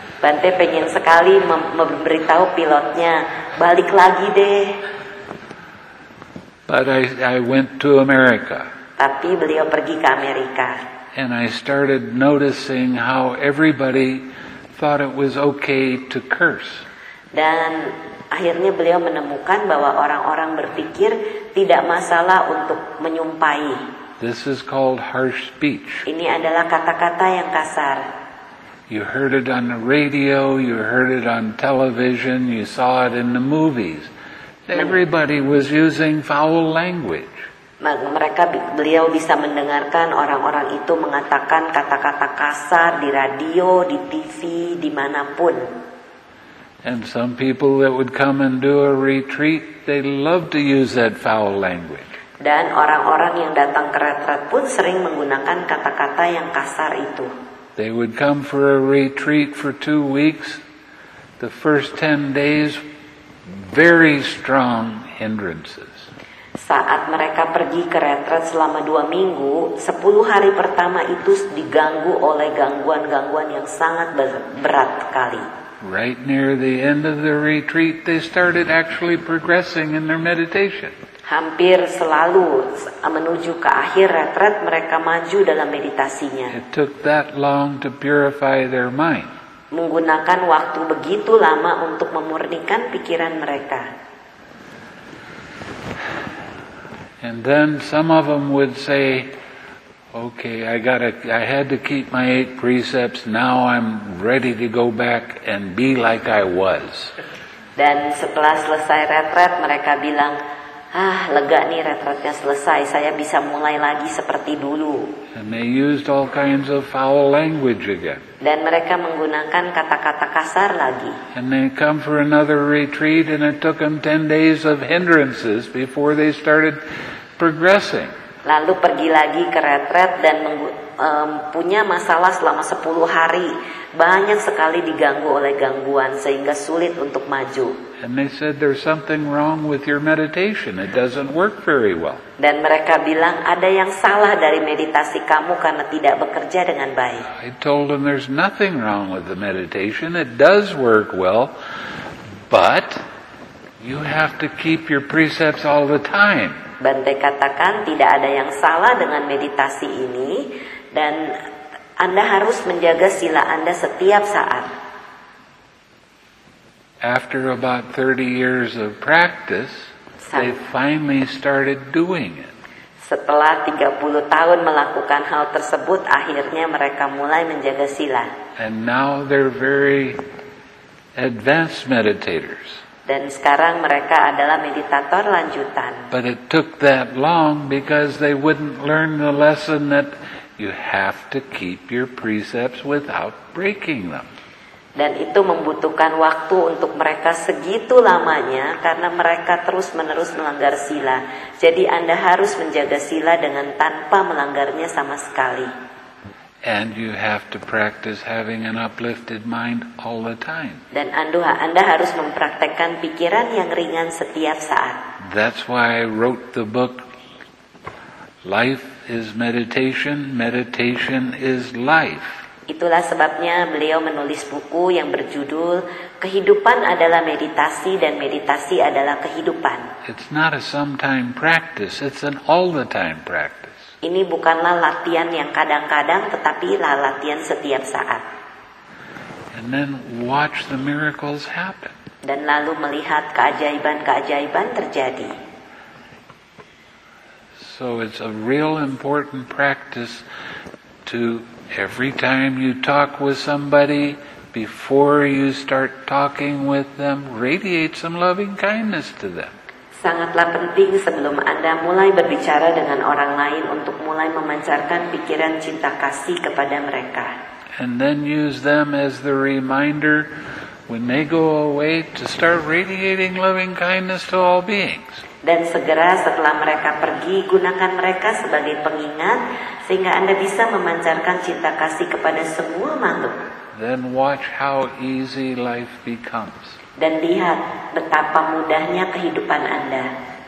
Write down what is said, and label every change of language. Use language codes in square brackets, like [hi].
[id] Bante pengen sekali memberitahu pilotnya, balik lagi deh. [en] But I went to America. [id] Tapi beliau pergi ke Amerika. [en] And I started noticing how everybody thought it was okay to curse. [id] Dan akhirnya beliau menemukan bahwa orang-orang berpikir tidak masalah untuk menyumpahi. [en] This is called harsh speech. [id] Ini adalah kata-kata yang kasar. [en] You heard it on the radio, you heard it on television, you saw it in the movies. Everybody was using foul language. [id] Mereka beliau bisa mendengarkan orang-orang itu mengatakan kata-kata kasar di radio, di TV, dimanapun. [en] And some people that would come and do a retreat, they love to use that foul language. [id] Dan orang-orang yang datang ke retreat pun sering menggunakan kata-kata yang kasar itu. [en] They would come for a retreat for 2 weeks. The first 10 days, very strong hindrances. [id] Saat mereka pergi ke retret selama 2 minggu, 10 hari pertama itu diganggu oleh gangguan-gangguan yang sangat berat sekali. [en] Right near the end of the retreat, they started actually progressing in their meditation. [id] Hampir selalu menuju ke akhir retret, mereka maju dalam meditasinya. [en] It took that long to purify their mind. [id] Menggunakan waktu begitu lama untuk memurnikan pikiran mereka. [en] And then some of them would say, okay, I had to keep my 8 precepts. Now I'm ready to go back and be like I was. [id] Dan setelah selesai retret, mereka bilang, ah, lega nih retretnya selesai, saya bisa mulai lagi seperti dulu. [en] And they used all kinds of foul language again. [id] Dan mereka menggunakan kata-kata kasar lagi. [en] And they come for another retreat, and it took them 10 days of hindrances before they started progressing. [id] Lalu pergi lagi ke retret dan punya masalah selama 10 hari. Banyak sekali diganggu oleh gangguan sehingga sulit untuk maju. [en] And they said there's something wrong with your meditation. It doesn't work very well. [id] Dan mereka bilang ada yang salah dari meditasi kamu karena tidak bekerja dengan baik. [en] I told them there's nothing wrong with the meditation. It does work well, but you have to keep your precepts all the time. [id] Bante katakan tidak ada yang salah dengan meditasi ini dan Anda harus menjaga sila Anda setiap saat. [en] After about 30 years of practice, they finally started doing it. [id] Setelah 30 tahun melakukan hal tersebut, akhirnya mereka mulai menjaga sila. [en] And now they're very advanced meditators. [id] Dan sekarang mereka adalah meditator lanjutan. [en] But it took that long because they wouldn't learn the lesson that you have to keep your precepts without breaking them. [id] Dan itu membutuhkan waktu untuk mereka segitu lamanya karena mereka terus-menerus melanggar sila. Jadi Anda harus menjaga sila dengan tanpa melanggarnya sama sekali. [en] And you have to practice having an uplifted mind all the time. [id] Dan Anda harus mempraktekkan pikiran yang ringan setiap saat. [en] That's why I wrote the book Life is Meditation, Meditation is Life. [id] Itulah sebabnya beliau menulis buku yang berjudul Kehidupan adalah Meditasi dan Meditasi adalah Kehidupan. [en] It's not a sometime practice, it's an all the time practice. [id] Ini bukanlah latihan yang kadang-kadang, tetapi latihan setiap saat. [en] And then watch the miracles happen. [id] Dan lalu melihat keajaiban-keajaiban terjadi. [en] So it's a real important practice to every time you talk with somebody, before you start talking with them, radiate some loving kindness to them. [id] Sangatlah penting sebelum Anda mulai berbicara dengan orang lain untuk mulai memancarkan pikiran cinta kasih kepada mereka. [en] And then use them as the reminder when they go away to start radiating loving kindness to all beings. [id] Dan segera setelah mereka pergi, gunakan mereka sebagai pengingat sehingga Anda bisa memancarkan cinta kasih kepada semua makhluk. [en] Then watch how easy life becomes. [id] Dan lihat betapa mudahnya kehidupan Anda.